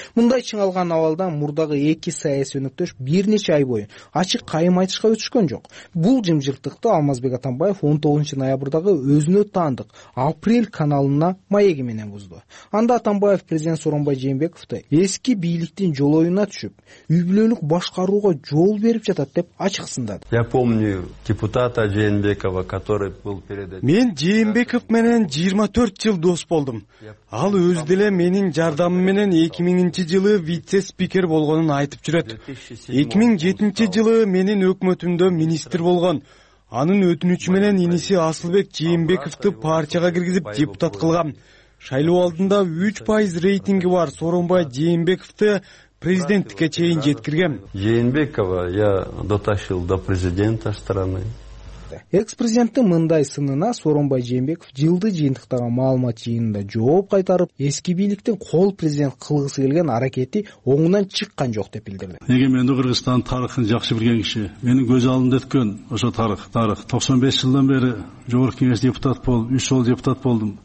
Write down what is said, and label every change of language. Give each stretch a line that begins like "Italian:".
Kyrgyz: Мындай чыңалган абалда мурдагы эки саясий өнөктөш бир нече ай бою ачык кайым айтышка өтүшкөн жок. Бул жымжыртыкты Алмазбек Атамбаев 19 ноябрдагы өзүнө таандык Апрель каналына маеги менен бузду. Анда Атамбаев президент Сооронбай Жээнбековду эски бийликтин жолоюна түшүп, үй бүлөлүк башкарууга жол берип жатат деп ачыксындады.
Russian: Я помню депутата Жээнбекова, который был перед этим.
Kyrgyz: Мен Жээнбеков менен 24 жыл дос болдум. Ал өзү деле менин жардамым менен 2000-жылы вице-спикер болгонун айтып жүрөт. 2007-жылы менин өкмөтүмдө министр болгон. Анын өтүнүчү менен иниси Асылбек Жээнбековду партияга киргизип депутат кылган. Шайлоо алдында 3% рейтинги бар Сооронбай Жээнбековду президенттикке чейин жеткиргем.
Russian: Жээнбекова я дотащил до президента страны.
Kyrgyz: Экс-президенттин мындай сынына Сооронбай Жээнбеков жылды жыйынтыктаган маалымат жыйынында жооп кайтарып, эски бийликтин кол президент кылгысы келген аракети оңунан чыккан жок деп билдирди. Эгер мен Кыргызстан тарыхын жакшы билген киши, менин көз алдымда өткөн ошо тарых 95 жылдан бери Жогорку Кеңеш депутат болуп, 3 жыл депутат болдум.